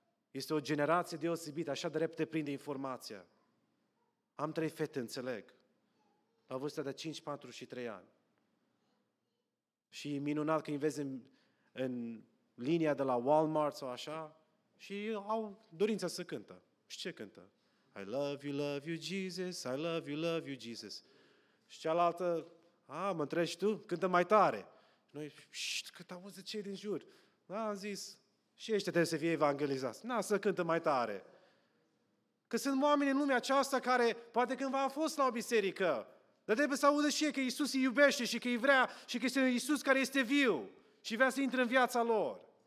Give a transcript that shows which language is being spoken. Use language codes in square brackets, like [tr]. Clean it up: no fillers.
[ro] Este o generație deosebită, așa de repede prinde informația. Am 3 fete, înțeleg, la vârsta de 5, 4 și 3 ani. Și e minunat că îi vezi în linia de la Walmart sau așa și au dorința să cântă. Și ce cântă? [en] I love you, Jesus, I love you, Jesus. [ro] Și cealaltă, mă întrebi tu? Cântă mai tare. Noi, cât auzi de cei din jur. Da, am zis, și ăștia trebuie să fie evangelizați. Na, să cântă mai tare. Că sunt oameni în lumea aceasta care poate cândva a fost la o biserică, dar trebuie să audă și ei că Iisus îi iubește și că îi vrea și că este un Iisus care este viu și vrea să intre în viața lor.